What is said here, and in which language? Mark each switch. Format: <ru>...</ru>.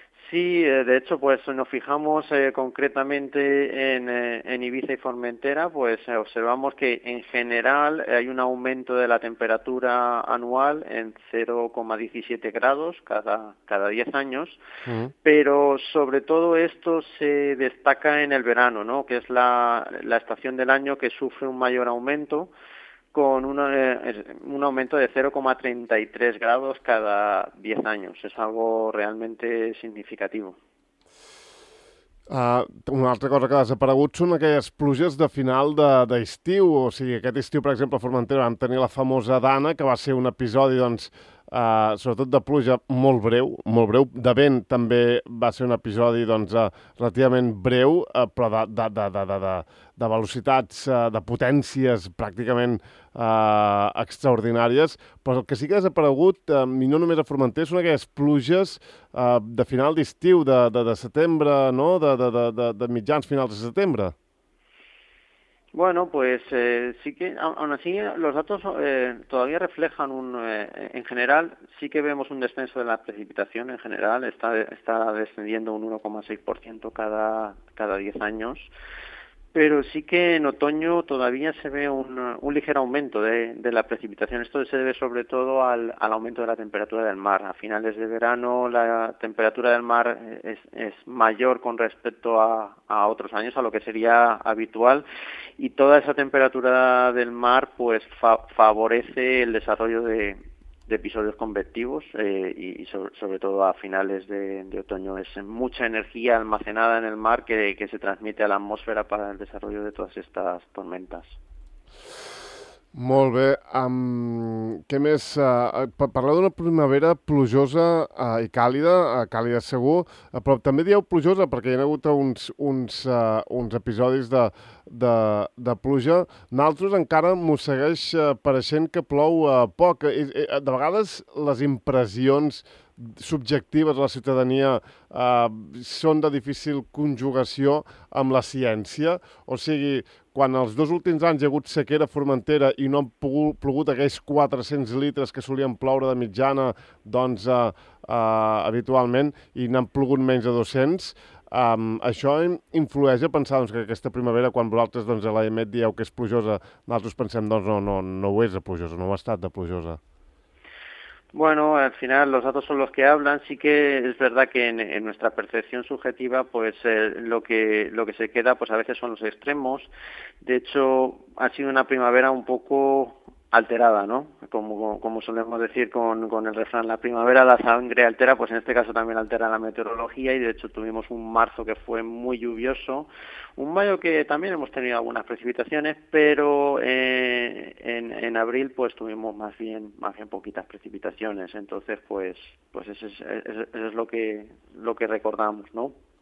<es>Sí, de hecho, pues nos fijamos concretamente en Ibiza y Formentera, pues observamos que en general hay un aumento de la temperatura anual en 0,17 grados cada 10 años, pero sobre todo esto se destaca en el verano, ¿no? Que es la estación del año que sufre un mayor aumento, con un aumento de 0,33 grados cada 10 años. Es algo realmente significativo.</es> <ca>Una altra cosa que ha desaparegut són aquelles pluges de final d'estiu. O sigui, aquest estiu, per exemple, a Formentera vam tenir la famosa Dana, que va ser un episodi, doncs, sobretot de pluja molt breu, de vent també va ser un episodi doncs, relativament breu, però de velocitats, de potències pràcticament extraordinàries, però el que sí que ha desaparegut, i no només a Formentera, són aquelles pluges de final d'estiu, de setembre, no? de mitjans finals de setembre.</ca> <es>Bueno, pues sí que, aún así, los datos todavía reflejan en general, sí que vemos un descenso de la precipitación en general, está descendiendo un 1,6% cada 10 años, Pero sí que en otoño todavía se ve un ligero aumento de la precipitación. Esto se debe sobre todo al aumento de la temperatura del mar. A finales de verano la temperatura del mar es mayor con respecto a otros años, a lo que sería habitual. Y toda esa temperatura del mar pues favorece el desarrollo de episodios convectivos y sobre todo a finales de otoño. Es mucha energía almacenada en el mar que se transmite a la atmósfera para el desarrollo de todas estas tormentas.</es> <ca>Molt bé. Què més? Parleu d'una primavera plujosa i càlida, càlida segur, però també dieu plujosa perquè hi ha hagut uns episodis de pluja. Naltros encara m'ho segueix pareixent que plou poc. De vegades les impressions subjectives a la ciutadania són de difícil conjugació amb la ciència. O sigui, quan els 2 últims anys hi ha hagut sequera a Formentera i no han plogut aquells 400 litres que solien ploure de mitjana, doncs, habitualment, i n'han plogut menys de 200, això influeix a pensar, doncs, que aquesta primavera, quan vosaltres, doncs, a l'AEMET dieu que és plujosa, nosaltres pensem, doncs, no, no, no ho és de plujosa, no ho ha estat de plujosa.</ca> <es>Bueno, al final los datos son los que hablan. Sí que es verdad que en nuestra percepción subjetiva, pues lo que se queda, pues a veces son los extremos. De hecho, ha sido una primavera un poco alterada, ¿no? Como solemos decir con el refrán, la primavera la sangre altera, pues en este caso también altera la meteorología y de hecho tuvimos un marzo que fue muy lluvioso, un mayo que también hemos tenido algunas precipitaciones, pero en abril pues tuvimos más bien poquitas precipitaciones, entonces pues eso es lo que recordamos, ¿no?</es>